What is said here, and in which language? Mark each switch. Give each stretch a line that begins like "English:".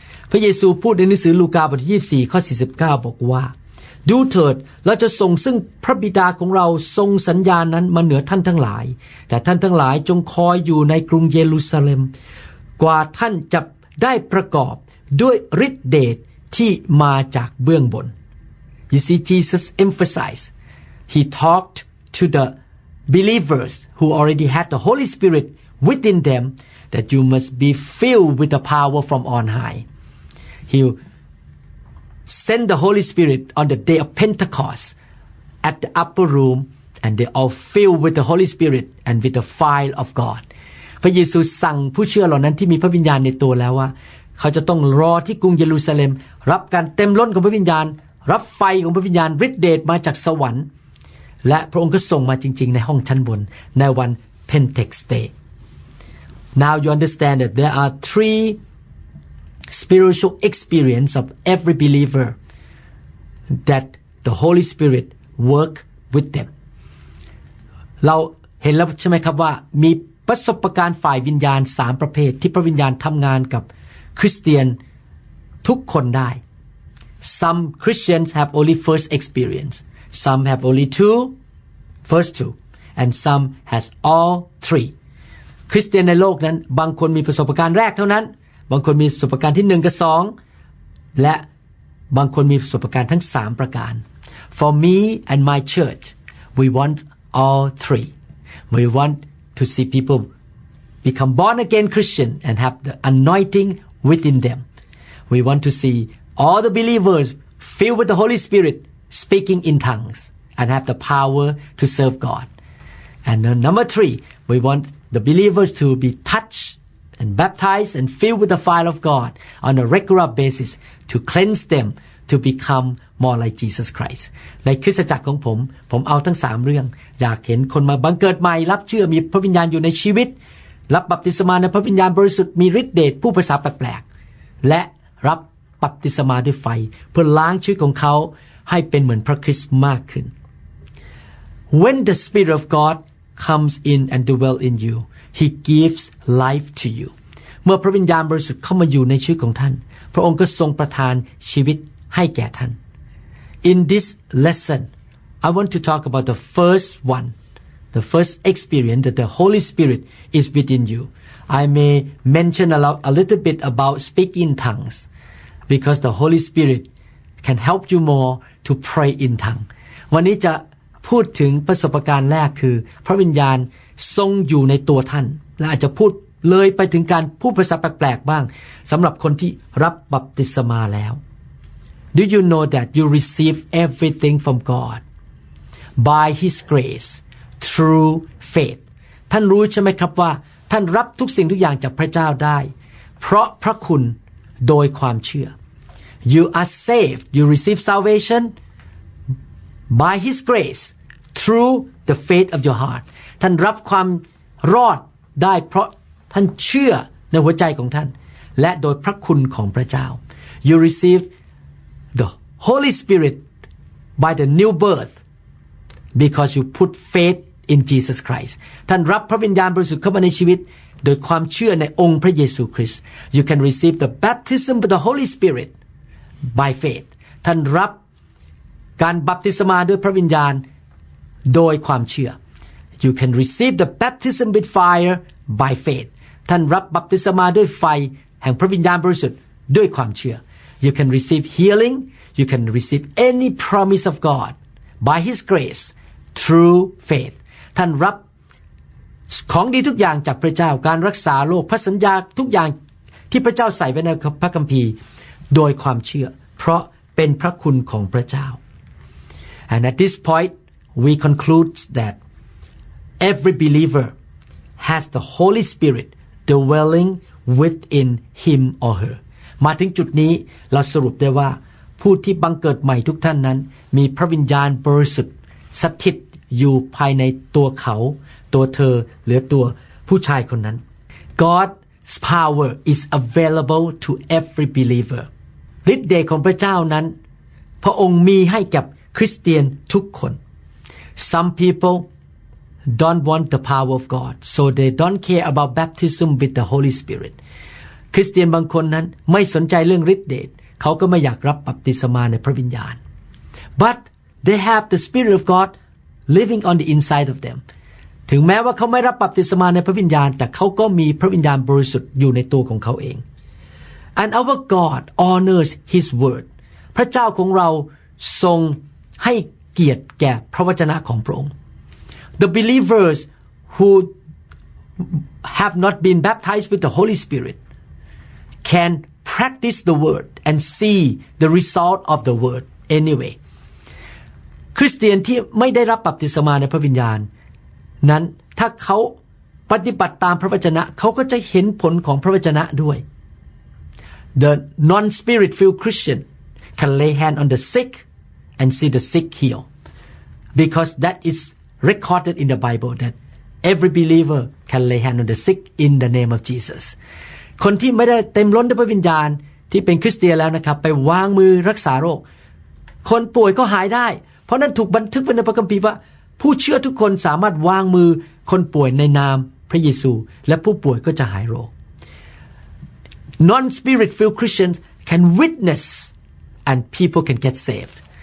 Thai: พระเยซูพูดในหนังสือลูกาบทที่24ข้อ49บอกว่าดูเถิดเราจะส่งซึ่งพระบิดาของเราทรงสัญญานั้นมาเหนือท่านทั้งหลายแต่ท่านทั้งหลายจงคอยอยู่ในกรุงเยรูซาเล็มกว่าท่านจะได้ประกอบด้วยฤทธิ์เดชที่มาจากเบื้องบน
English: You see Jesus emphasized he talked to the believers who already had the Holy Spirit within them that you must be filled with the power from on high. He'll send the Holy Spirit on the day of Pentecost at the upper room, and they all filled with the Holy Spirit and with the fire of God.
Thai: พระเยซูสั่งผู้เชื่อเหล่านั้นที่มีพระวิญญาณในตัวแล้วว่าเขาจะต้องรอที่กรุงเยรูซาเล็มรับการเต็มล้นของพระวิญญาณรับไฟของพระวิญญาณฤทธิ์เดชมาจากสวรรค์และพระองค์ก็ส่งมาจริงๆในห้องชั้นบนในวันเพนเทคสเตย์
English: Now you understand that there are three spiritual experience of every believer that the Holy Spirit work with them
Thai: เราเห็นแล้วใช่ไหมครับว่ามีประสบการณ์ฝ่ายวิญญาณ3ประเภทที่พระวิญญาณทำงานกับคริสเตียนทุกคนได้
English: Some Christians have only first experience. Some have only two, first two. And some has all three.
Thai: คริสเตียนในโลกนั้นบางคนมีประสบการณ์แรกเท่านั้นบางคนมีประสบการณ์ที่1กับ2และบางคนมีประสบการณ์ทั้ง3ประการ
English: For me and my church, we want all three. We wantTo see people become born again Christian and have the anointing within them. We want to see all the believers filled with the Holy Spirit speaking in tongues and have the power to serve God. And number three, we want the believers to be touched and baptized and filled with the fire of God on a regular basis to cleanse them to become more like Jesus Christ.
Thai: ในคริสตจักรของผมผมเอาทั้ง3เรื่องอยากเห็นคนมาบังเกิดใหม่รับเชื่อมีพระวิญญาณอยู่ในชีวิตรับบัพติศมาในพระวิญญาณบริสุทธิ์มีฤทธิ์เดชผู้ภาษาแปลกๆและรับบัพติศมาด้วยไฟเพื่อล้างชีวิตของเขาให้เป็นเหมือนพระคริสต์มากขึ้น
English: When the Spirit of God comes in and dwells in you he gives life to you
Thai: เมื่อพระวิญญาณบริสุทธิ์เข้ามาอยู่ในชีวิตของท่านพระองค์ก็ทรงประทานชีวิตให้แก่ท่าน
English: In this lesson, I want to talk about the first one, the first experience that the Holy Spirit is within you. I may mention a little bit about speaking in tongues, because the Holy Spirit can help you more to pray in tongues.
Thai: วันนี้จะพูดถึงประสบการณ์แรกคือพระวิญญาณทรงอยู่ในตัวท่านและอาจจะพูดเลยไปถึงการพูดภาษาแปลกๆบ้างสำหรับคนที่รับบัพติศมาแล้ว
English: Do you know that you receive everything from God by His grace through faith?
Thai: ท่านรู้ใช่ไหมครับว่าท่านรับทุกสิ่งทุกอย่างจากพระเจ้าได้เพราะพระคุณโดยความเชื่อ
English: You are saved. You receive salvation by His grace through the faith of your heart.
Thai: ท่านรับความรอดได้เพราะท่านเชื่อในหัวใจของท่านและโดยพระคุณของพระเจ้า
English: You receiveThe Holy Spirit by the new birth because you put faith in Jesus Christ.
Thai: ท่านรับพระวิญญาณบริสุทธิ์เข้ามาในชีวิตโดยความเชื่อในองค์พระเยซูคริสต์
English: You can receive the baptism of the Holy Spirit by faith.
Thai: ท่านรับการบัพติศมาด้วยพระวิญญาณโดยความเชื่อ
English: You can receive the baptism with fire by faith.
Thai: ท่านรับบัพติศมาด้วยไฟแห่งพระวิญญาณบริสุทธิ์ด้วยความเชื่อ
English: You can receive healing. You can receive any promise of God by His grace through faith.
Thai: ท่านรับของดีทุกอย่างจากพระเจ้าการรักษาโรคพระสัญญาทุกอย่างที่พระเจ้าใส่ไว้ในพระคัมภีร์โดยความเชื่อเพราะเป็นพระคุณของพระเจ้า
English: And at this point, we conclude that every believer has the Holy Spirit dwelling within him or her.
Thai: มาถึงจุดนี้เราสรุปได้ว่าผู้ที่บังเกิดใหม่ทุกท่านนั้นมีพระวิญญาณบริสุทธิ์สถิตอยู่ภายในตัวเขาตัวเธอหรือตัวผู้ชายคนนั้น
English: God's power is available to every believer
Thai: ฤทธิ์เดชของพระเจ้านั้นพระองค์มีให้กับคริสเตียนทุกคน
English: Some people don't want the power of God so they don't care about baptism with the Holy Spirit
Thai: คริสเตียนบางคนนั้นไม่สนใจเรื่องฤทธิ์เดชเขาก็ไม่อยากรับบัพติศมาในพระวิญญาณ
English: But they have the Spirit of God living on the inside of them
Thai: ถึงแม้ว่าเขาไม่รับบัพติศมาในพระวิญญาณแต่เขาก็มีพระวิญญาณบริสุทธิ์อยู่ในตัวของเขาเอง
English: And our God honors His word
Thai: พระเจ้าของเราทรงให้เกียรติแก่พระวจนะของพระองค์
English: The believers who have not been baptized with the Holy Spirit can practice the word and see the result of the word anyway.
Thai: คริสเตียนที่ไม่ได้รับบัพติศมาในพระวิญญาณนั้นถ้าเขาปฏิบัติตามพระวจนะเขาก็จะเห็นผลของพระวจนะด้วย
English: The non-spirit-filled Christian can lay hand on the sick and see the sick heal because that is recorded in the Bible that every believer can lay hand on the sick in the name of Jesus
Thai: คนที่ไม่ได้เต็มล้นด้วยพระวิญญาณที่เป็นคริสเตียนแล้วนะครับไปวางมือรักษาโรคคนป่วยก็หายได้เพราะนั้นถูกบันทึกไว้ในพระคัมภีร์ว่าผู้เชื่อทุกคนสามารถวางมือคนป่วยในนามพระเยซูและผู้ป่วยก็จะหายโรค
English: Non-spirit-filled Christians can witness and people can get saved